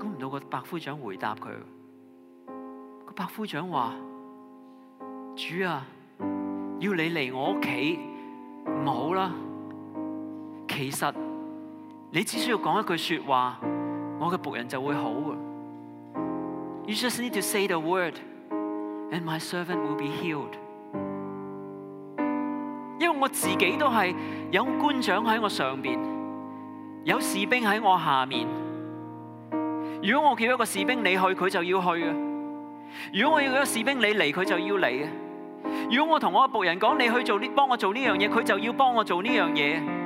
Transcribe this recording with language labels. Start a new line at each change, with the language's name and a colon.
Chinese: 估不到百夫长回答他，百夫长说，主啊，要你来我家不好了，其实你只需要说一句说话，我的仆人就会好。
English: You just need to say the word and my servant will be healed。
Chinese: 因为我自己都是有官长在我上面，有士兵在我下面，如果我叫一个士兵你去，他就要去；如果我叫一个士兵你来，他就要来；如果我跟我的仆人说你去做，帮我做这件事，他就要帮我做这件事。